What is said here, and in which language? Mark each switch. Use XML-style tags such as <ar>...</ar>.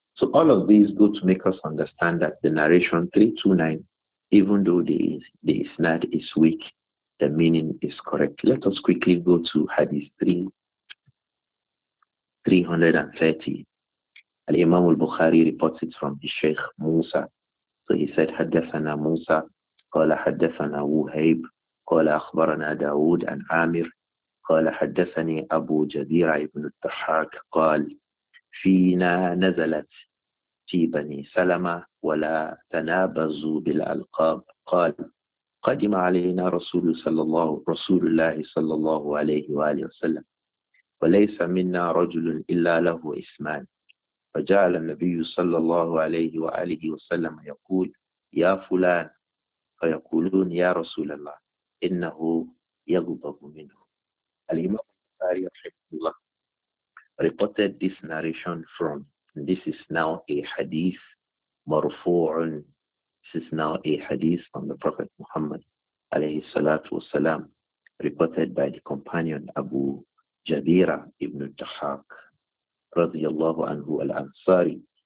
<en>So all of these go to make us understand that the narration 329, even though the isnad is weak, the meaning is correct. Let us quickly go to Hadith 330. Al-Imam al-Bukhari reports it from his Sheikh Musa. So he said,</en> <ar>حدثنا موسى قال حدثنا وهيب قال أخبرنا داود عن عامر قال حدثني أبو جدير ابن الضحاك قال فينا نزلت في بني سلمة ولا تنابزوا بالألقاب قال قدم علينا رسول الله صلى الله عليه وآله وسلم وليس منا رجل إلا له اسمان فجعل النبي صلى الله عليه وآله وسلم يقول يا فلان فيقولون يا رسول الله إنه يغضب منه.</ar> <en>الإمام البخاري رحمه الله reported this narration from, and this is now a hadith مرفوع. This is now a hadith from the Prophet Muhammad عليه الصلاة والسلام reported by the companion Abu جبيرة ابن الضحاك رضي الله عنه الأنصاري.</en>